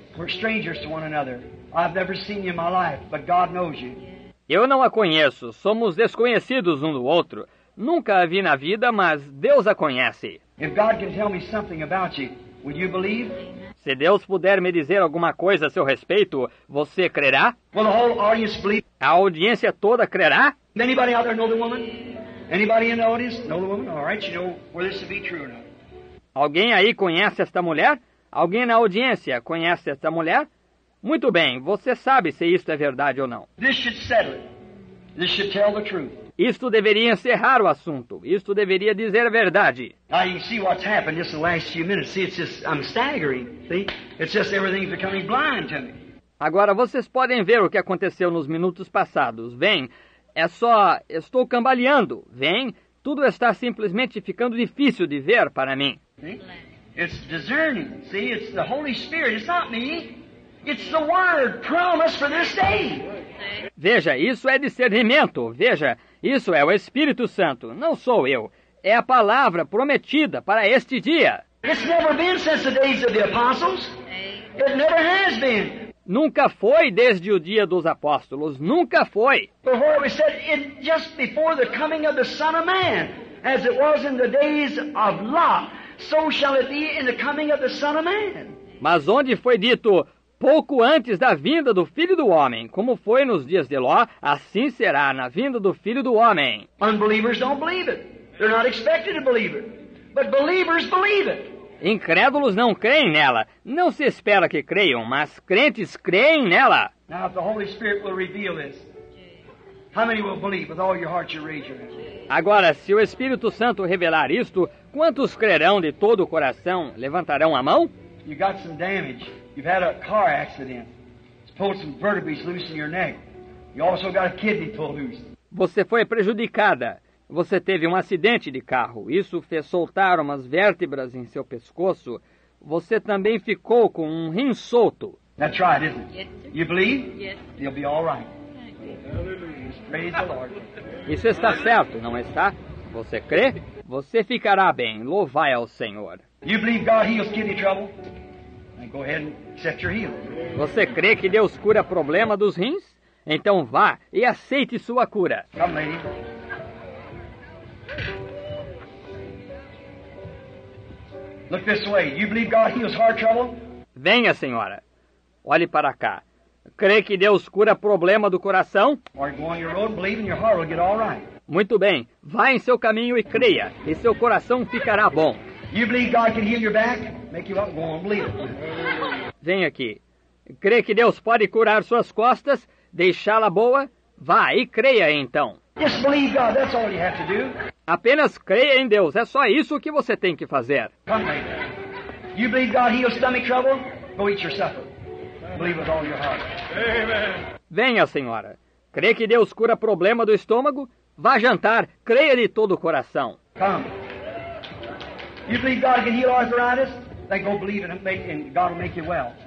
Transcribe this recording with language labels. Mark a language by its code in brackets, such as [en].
[en] We're strangers to one another. I've never seen you in my life, but God knows you. [pt] Eu não a conheço. Somos desconhecidos um do outro. Nunca a vi na vida, mas Deus a conhece. [en] If God can tell me something about you, would you believe? [pt] Se Deus puder me dizer alguma coisa a seu respeito, você crerá? [en] Will the whole audience believe? [pt] A audiência toda crerá? [en] Anybody out there know the woman? Anybody in the audience know the woman? All right, you know whether this will be true or not. [pt] Alguém aí conhece esta mulher? Alguém na audiência conhece esta mulher? Muito bem, você sabe se isto é verdade ou não. [en] This should settle it. This should tell the truth. [pt] Isto deveria encerrar o assunto. Isto deveria dizer a verdade. [en] Now you see what's happened just in the last few minutes. See, it's just, I'm staggering. See, it's just everything's becoming blind to me. [pt] Agora vocês podem ver o que aconteceu nos minutos passados. Vem, é só, estou cambaleando. Vem, tudo está simplesmente ficando difícil de ver para mim. [en] See? It's discerning. See, it's the Holy Spirit. It's not me. It's the Word promised for this day. [pt] Veja, isso é discernimento. Veja, isso é o Espírito Santo. Não sou eu. É a palavra prometida para este dia. [en] It's never been since the days of the apostles. It never has been. [pt] Nunca foi desde o dia dos apóstolos. Nunca foi. [en] Before we said it just before the coming of the Son of Man, as it was in the days of Lot, so shall it be in the coming of the Son of Man. [pt] Mas onde foi dito pouco antes da vinda do Filho do Homem, como foi nos dias de Ló, assim será na vinda do Filho do Homem. [en] Unbelievers don't believe it. They're not expected to believe it. But believers believe it. [pt] Incrédulos não creem nela. Não se espera que creiam, mas crentes creem nela. [en] Now if the Holy Spirit will reveal this, how many will believe with all your heart you raise your hand? [pt] Agora, se o Espírito Santo revelar isto, quantos crerão de todo o coração, levantarão a mão? [en] You got some damage. You've had a car accident. It's pulled some vertebrae loose in your neck. You also got a kidney pulled loose. [pt] Você foi prejudicada. Você teve um acidente de carro. Isso fez soltar umas vértebras em seu pescoço. Você também ficou com um rim solto. [en] That's right, isn't it? Yes, sir. You believe? Yes, sir. You'll be all right. Hallelujah. Praise the Lord. [pt] Isso está certo, não está? Você crê? Você ficará bem. Louvai ao Senhor. [en] You believe God heals kidney trouble? Go ahead and accept your healing. [pt] Você crê que Deus cura problema dos rins? Então vá e aceite sua cura. [en] Come, lady. Look this way. You believe God heals heart trouble? [pt] Venha, senhora. Olhe para cá. Crê que Deus cura problema do coração? [en] Or go on your road, believe in your heart, will get all right. [pt] Muito bem. Vá em seu caminho e creia, e seu coração ficará bom. [en] You believe God can heal your back? Make you up, go on, believe it. [pt] Vem aqui. Crê que Deus pode curar suas costas, deixá-la boa? Vá e creia então. [en] Just believe God, that's all you have to do. [pt] Apenas creia em Deus, é só isso que você tem que fazer. [en] Come later. You believe God heals stomach trouble? Go eat your supper. Believe with all your heart. Amen. [pt] Venha, senhora. Crê que Deus cura problema do estômago? Vá jantar, creia de todo o coração. [en] Come. You believe God can heal arthritis? Then go believe it and God will make you well.